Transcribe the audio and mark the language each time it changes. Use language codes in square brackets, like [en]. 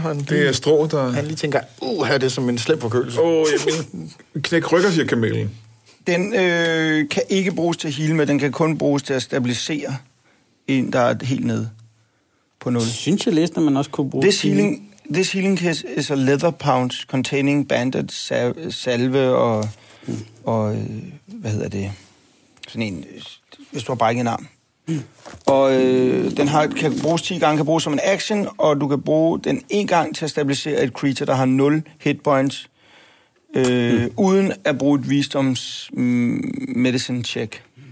[da] Det er strå, der... Han lige tænker, her er det som en slem forkølelse. Knæk rykker, siger kamelen. Den kan ikke bruges til at heal med, den kan kun bruges til at stabilisere en, der er helt nede på 0. Synes jeg læste, at man også kunne bruge... [en] This healing kit is a leather pouch containing banded salve [da] og... Mm. Og hvad hedder det? Sådan en... Hvis du har brækket en arm. Og den har, kan bruges 10 gange, kan bruges som en action, og du kan bruge den en gang til at stabilisere et creature, der har 0 hit points, uden at bruge et wisdoms medicine check.